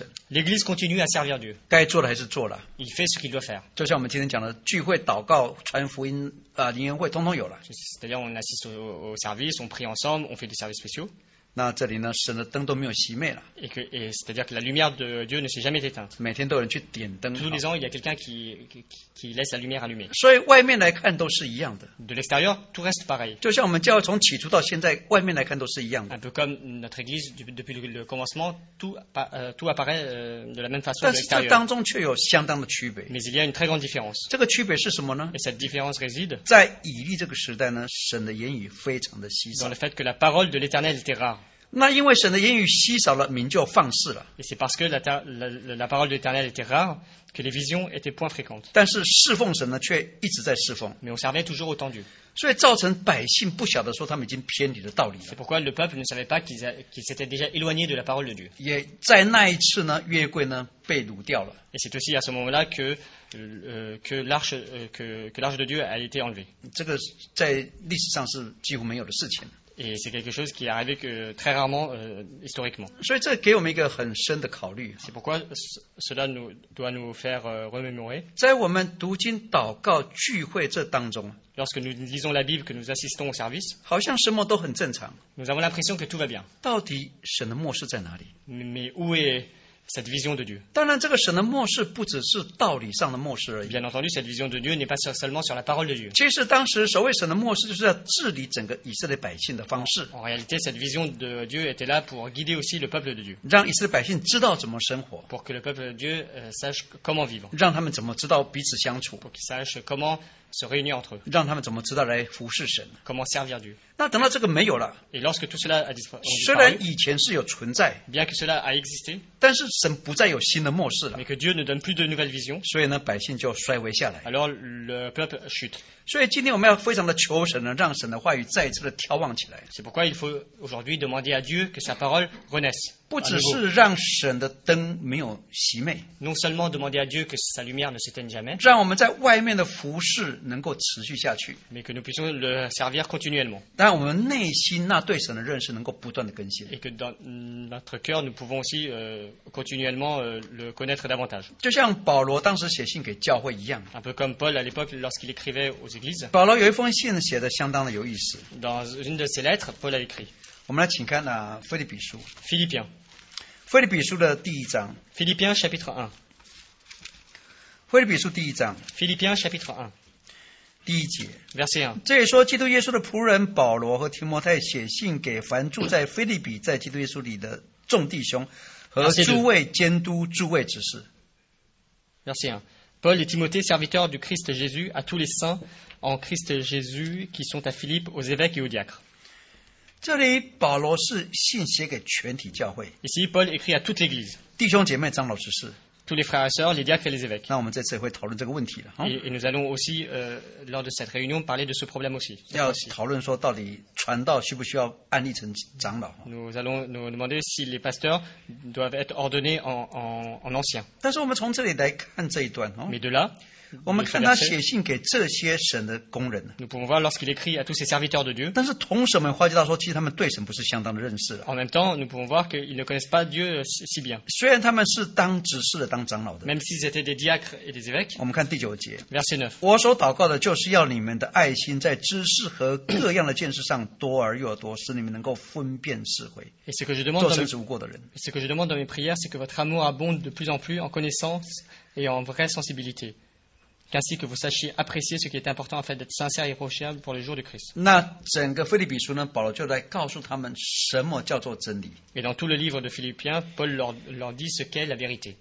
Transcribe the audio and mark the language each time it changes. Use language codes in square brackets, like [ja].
[fr] L'Église continue à servir Dieu. Il fait ce qu'il doit faire. C'est-à-dire on assiste au service, on prie ensemble, on fait des services spéciaux. [zh] 那这里呢，神的灯都没有熄灭了。 [fr] Et que, et c'est-à-dire que la lumière de Dieu ne s'est jamais éteinte. [zh] 每天都有人去点灯。 [fr] Tous les ans, il y a quelqu'un qui laisse la lumière allumée. [zh] 所以外面来看都是一样的。 [fr] De l'extérieur, tout reste pareil. [zh] 就像我们教会从起初到现在，外面来看都是一样的。 [fr] Un peu comme notre église depuis le commencement, tout apparaît de la même façon. [zh] 但是这当中却有相当的区别。 [fr] Mais il y a une très grande différence. [zh] 这个区别是什么呢 [fr] ？Et cette différence réside [zh] 在以利这个时代呢，神的言语非常的稀少。 [fr] Dans le fait que la parole de l'Éternel était rare. [zh] 那因为神的言语稀少了，民就放肆了。 [fr] Et c'est parce que la parole de l'Éternel était rare que les visions étaient point fréquentes. [zh] 但是侍奉神呢，却一直在侍奉。 [fr] Mais on servait toujours autant Dieu. [zh] 所以造成百姓不晓得说他们已经偏离了道理了。 [fr] C'est pourquoi le peuple ne savait pas qu'ils étaient déjà éloignés de la parole de Dieu. [zh] 也在那一次呢，约柜呢被掳掉了。 [fr] Et c'est aussi à ce moment-là que l'arche de Dieu a été enlevée. [zh] 这个在历史上是几乎没有的事情。 [fr] Et c'est quelque chose qui est arrivé que très rarement historiquement. [zh] 所以这给我们一个很深的考虑。 [fr] C'est pourquoi cela doit nous faire remémorer. [zh] 在我们读经祷告聚会这当中 [fr] Lorsque nous lisons la Bible, que nous assistons au service, [zh] 好像什么都很正常。 [fr] Nous avons l'impression que tout va bien. [zh] 到底神的漠视在哪里 [fr] Mais où est cette vision de Dieu? [zh] 当然这个神的漠视不只是道理上的漠视而已。 [fr] Bien entendu, cette vision de Dieu n'est pas seulement sur la parole de Dieu. [zh] 其实当时所谓神的漠视就是要治理整个以色列百姓的方式。 [fr] En réalité, cette vision de Dieu était là pour guider aussi le peuple de Dieu. [zh] 让以色列百姓知道怎么生活。 [fr] Pour que le peuple de Dieu sache comment vivre. [zh] 让他们怎么知道彼此相处。 [fr] Pour qu'ils sachent comment se réunir entre eux. [zh] 让他们怎么知道来服侍神。 [fr] Comment servir Dieu. [zh] 那等到这个没有了。 [fr] Et lorsque tout cela a disparu, [zh] 虽然以前是有存在。 [fr] Bien que cela a existé, [zh] 但是神不再有新的漠视了。 [fr] Mais que Dieu ne donne plus de nouvelles visions. [zh] 所以呢，百姓就衰微下来。 [fr] Alors le peuple chute. [zh] 所以今天我们要非常的求神呢，让神的话语再次的眺望起来。 [fr] C'est pourquoi il faut aujourd'hui demander à Dieu que sa parole renaisse. [zh] 不只是让神的灯没有熄灭。 [fr] Non seulement demander à Dieu que sa lumière ne s'éteigne jamais. [zh] 让我们在外面的服事能够持续下去。 [fr] Mais que nous puissions le servir continuellement. [zh] 但我们内心那对神的认识能够不断的更新。 [fr] Et que dans notre cœur nous pouvons aussi continuellement le connaître davantage. [zh] 就像保罗当时写信给教会一样。 [fr] Un peu comme Paul à l'époque lorsqu'il écrivait aux églises. [zh] 保罗有一封信写得相当的有意思。 [fr] Dans une de ses lettres, Paul a écrit. [zh] 我们来请看啊，《腓立比书》。 [fr] Philippiens. [zh] 腓立比书的第一章。 [fr] Philippiens chapitre 1. [zh] 腓立比书第一章。 [fr] Philippiens chapitre 1. [zh] 第一节 [fr] Verset 1 [zh] 这也说基督耶稣的仆人保罗和提摩太写信给凡住在腓立比在基督耶稣里的众弟兄和诸位监督诸位执事 [fr] Verset 1 Paul et Timothée serviteurs du Christ Jésus à tous les saints en Christ Jésus qui sont à Philippe aux évêques et aux diacres [zh] 这里保罗是信写给全体教会 [fr] Ici Paul écrit à toute l'église [zh] 弟兄姐妹长老执事 [fr] Tous les frères et sœurs, les diacres et les évêques. [zh] 那我们这次会讨论这个问题了。 [fr] Et nous allons aussi, lors de cette réunion, parler de ce problème aussi. [zh] 要讨论说到底传道需不需要安立成长老。 [fr] Nous allons nous demander si les pasteurs doivent être ordonnés en anciens. [zh] 但是我们从这里来看这一段。 [fr] Mais de là, [zh] 我们看他写信给这些神的工人。 [fr] Nous pouvons voir lorsqu'il écrit à tous ses serviteurs de Dieu. [zh] 但是同时我们发觉到说，其实他们对神不是相当的认识。 [fr] En même temps, nous pouvons voir qu'ils ne connaissent pas Dieu si bien. [zh] 虽然他们是当执事的。 [fr] Même s'ils étaient des diacres et des évêques. [zh] 我们看第九节 [fr] Verset 9. [zh] 我所祷告的就是要你们的爱心在知识和各样的见识上多而又多，使你们能够分辨是非。 [fr] Et ce que je demande, [zh] 做圣职无过的人。 [fr] Ce que je demande dans mes prières, c'est que votre amour abonde de plus en plus en connaissance et en vraie sensibilité, qu'ainsi que vous sachiez apprécier ce qui est important afin d'être sincère et recherchable pour le jour du Christ. [zh] 那整个腓立比书呢，保罗就来告诉他们什么叫做真理。 [fr] Et dans tout le livre de Philippiens, Paul leur dit ce qu'est la vérité.